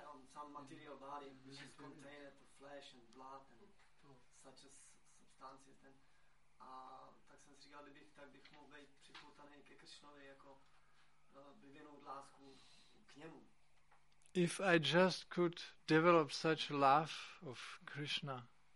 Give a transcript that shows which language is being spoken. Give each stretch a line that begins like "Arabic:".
English: Some material body which is contained of flesh and blood and such as substances.
Czech: Then, tak jsem si říkal, kdybych mohl být připoutaný ke Kršnovi jako vyvinout lásku k němu.
English: If I just could develop such love of Krishna.